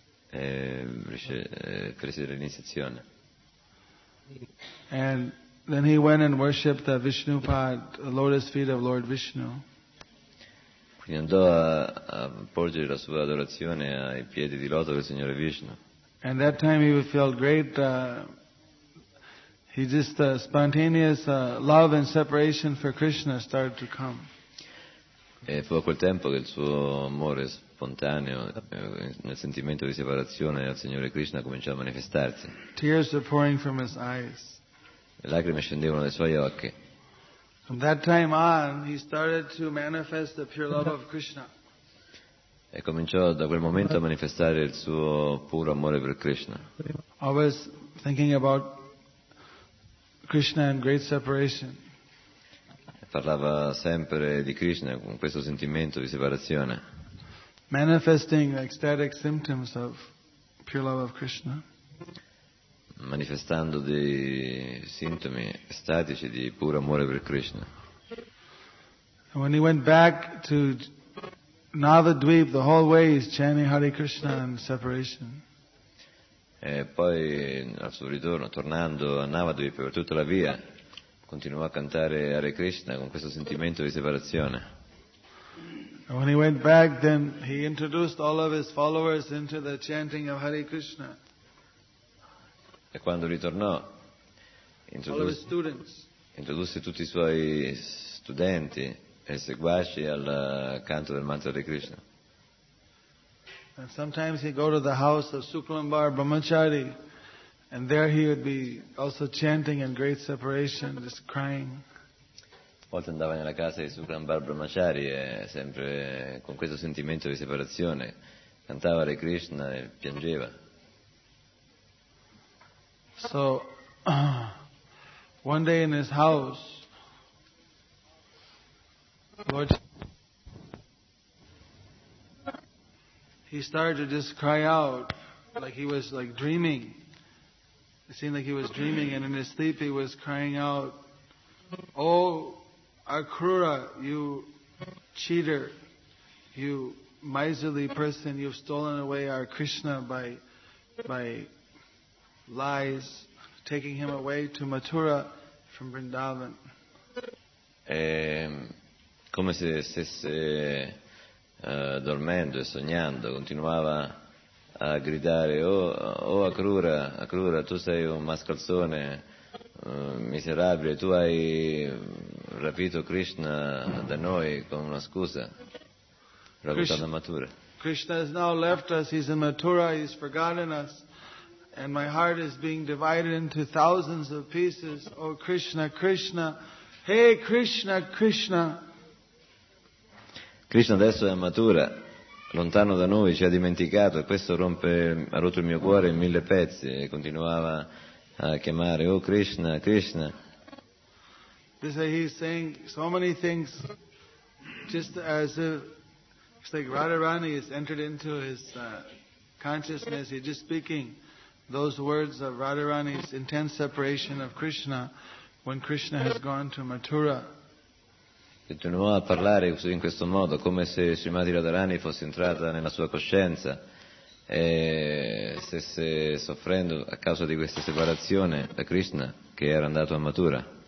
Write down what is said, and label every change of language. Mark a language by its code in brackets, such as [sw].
[it] Prese l'iniziazione. [en] And then he went and worshipped the Vishnupad, the lotus feet of Lord Vishnu. [it] Quindi andò a porgere la sua adorazione ai piedi di loto del Signore Vishnu. [en] And that time he felt great. He just spontaneous love and separation for Krishna started to come. [it] E fu a quel tempo che il suo amore spontaneo, nel sentimento di separazione al Signore Krishna, cominciò a manifestarsi. [en] Tears were pouring from his eyes. [it] Le lacrime scendevano dai suoi occhi. [en] From that time on, he started to manifest the pure love of Krishna. [it] E cominciò da quel momento a manifestare il suo puro amore per Krishna. [en] Always thinking about Krishna and great separation. [it] Parlava sempre di Krishna con questo sentimento di separazione. [en] Manifesting ecstatic symptoms of pure love of Krishna. [it] Manifestando dei sintomi estatici di puro amore per Krishna. [en] And when he went back to Navadvip, the whole way is chanting Hare Krishna and separation. [it] E poi al suo ritorno, tornando a Navadvip per tutta la via, continuò a cantare Hare Krishna con questo sentimento di separazione. [en] And when he went back, then he introduced all of his followers into the chanting of Hare Krishna. [it] E quando ritornò, introdusse tutti i suoi studenti e seguaci al canto del mantra di Krishna. [en] And sometimes he'd go to the house of Suklambar Brahmachari, and there he would be also chanting in great separation, just crying. [it] A volte andava nella casa di Suklambar Brahmachari e sempre con questo sentimento di separazione cantava Hare Krishna e piangeva. [en] So, one day in his house, Lord, he started to just cry out, like he was like dreaming. It seemed like he was dreaming, and in his sleep he was crying out, "Oh, Akrura, you cheater, you miserly person, you've stolen away our Krishna by lies, taking him away to Mathura from Vrindavan." [it] è come se stesse dormendo e sognando, continuava a gridare: oh Akrura, Akrura, tu sei un mascalzone miserabile, tu hai rapito Krishna da noi con una scusa, Raghunatha Mathura. [en] Krishna has now left us, he's in Mathura, he's forgotten us, and my heart is being divided into thousands of pieces. Oh Krishna, Krishna, hey Krishna, Krishna. [it] Krishna adesso è a Mathura, lontano da noi, ci ha dimenticato, e questo ha rotto il mio cuore in mille pezzi, e continuava a chiamare: oh Krishna, Krishna. [en] This is, he's saying so many things, just as if it's like Radharani has entered into his consciousness. He's just speaking those words of Radharani's intense separation of Krishna when Krishna has gone to Mathura. [it] Continuò a parlare in questo modo, come se Srimati Radharani fosse entrata nella sua coscienza e stesse soffrendo a causa di questa separazione da Krishna che era andato a Mathura.